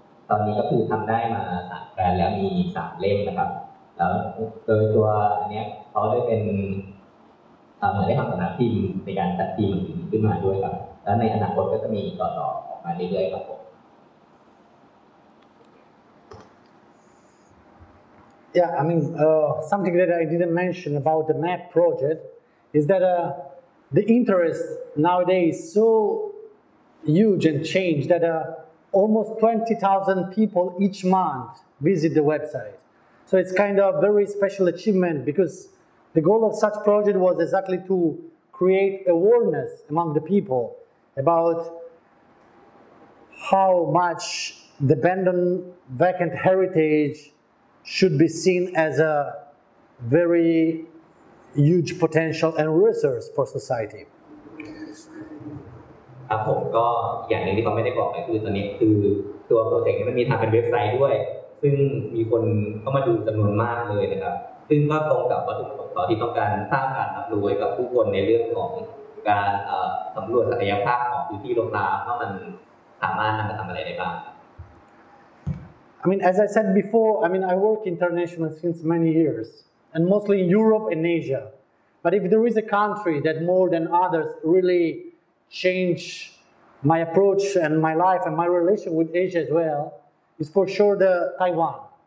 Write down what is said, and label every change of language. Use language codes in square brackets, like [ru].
[th] ตอนนี้ก็คือทำได้มา3แคว้นแล้วมี3เล่มนะครับแล้วโดยตัวอันนี้เขาได้เป็นเหมือนได้ทำสำนักพิมพ์ในการจัดพิมพ์ขึ้นมาด้วยครับแล้วในอนาคตก็จะมีต่อๆออกมาเรื่อยๆครับผม [en] Yeah, I mean, something that I didn't mention about the MAP project is that the interest nowadays is so huge and changed that almost 20,000 people each month visit the website. So it's kind of a very special achievement because the goal of such project was exactly to create awareness among the people about how much the abandoned vacant heritage should be seen as a very huge potential and resource for society. [th] ครับผมก็อย่างนึงที่เขาไม่ได้บอกก็คือตอนนี้คือตัวโปรเจกต์มันมีทำเป็นเว็บไซต์ด้วยซึ่งมีคนเข้ามาดูจำนวนมากเลยนะครับซึ่งก็ตรงกับวัตถุประสงค์ที่ต้องการสร้างการรับรู้กับผู้คนในเรื่องของการสำรวจศักยภาพของพื้นที่โรงแรมว่ามันสามารถนำมาทำอะไรได้บ้าง [en] I mean, as I said before, I mean, I work internationally since many years, and mostly in Europe and Asia. But if there is a country that more than others really changed my approach and my life and my relation with Asia as well, it's for sure the Taiwan.